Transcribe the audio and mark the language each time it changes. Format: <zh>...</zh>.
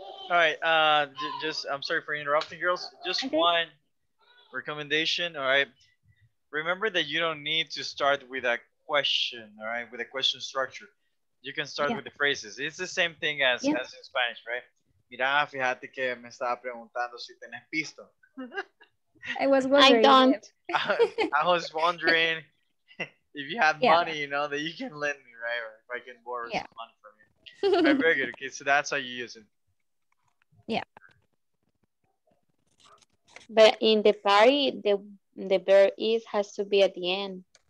<en>All right. I'm sorry for interrupting, girls. One recommendation. All right. Remember that you don't need to start with a question. All right, with a question structure. You can start with the phrases. It's the same thing as in Spanish, right?</en> <es>Mira, fíjate que me estaba preguntando si tenés pisto.</es> <en>I was wondering. I don't. I was wondering if you have money, you know, that you can lend me, right? Or if I can borrow some money from you. Right, very good. Okay, so that's how you use it. Yeah. But in the party, the verb is has to be at the end.</en>